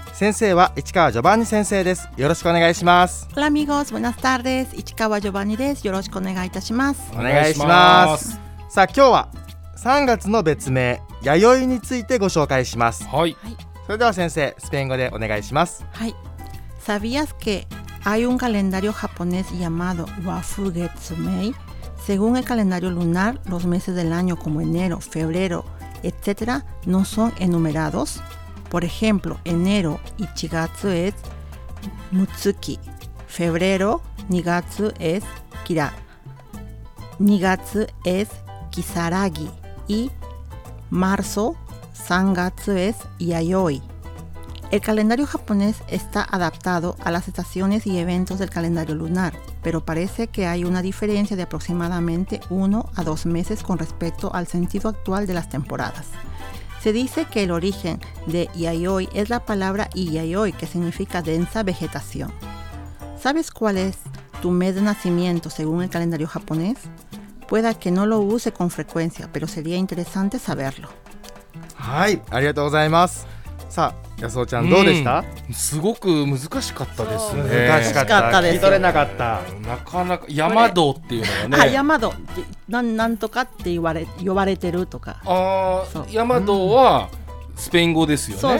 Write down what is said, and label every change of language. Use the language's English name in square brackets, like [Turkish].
[Japanese] 先生は市川ジョバンニ先生です。よろしくお願いします。 [Spanish] ホラミゴスブナスタール [Japanese] です。市川ジョバンニです。よろしくお願いいたします。お願いします。さあ今日は3月の別名弥生についてご紹介します。はい、それでは先生スペイン語でお願いします。はい。 [Spanish] ¿Sabías que hay un calendario japonés llamado Wafugetsumei? Según el calendario lunar, los meses del año como enero, febrero, etc. no son enumerados. Por ejemplo, enero, Ichigatsu es Mutsuki. Febrero, Nigatsu es Kira. Nigatsu es Kisaragi. Y marzo, Sangatsu es Yayoi. El calendario japonés está adaptado a las estaciones y eventos del calendario lunar, pero parece que hay una diferencia de aproximadamente 1 a 2 meses con respecto al sentido actual de las temporadas. Se dice que el origen de yayoi es la palabra iyayoi, que significa densa vegetación. ¿Sabes cuál es tu mes de nacimiento según el calendario japonés? Pueda que no lo use con frecuencia, pero sería interesante saberlo. [Japanese] ¡Ay! ¡Arigatou gozaimasu! さあ、ヤスオちゃんどうでした？すごく難しかったですね。難しかった、ね、聞き取れなかった。なかなか山道っていうのはね、山道なんとかって呼ばれてるとか。あ、そう、山道はスペイン語ですよね。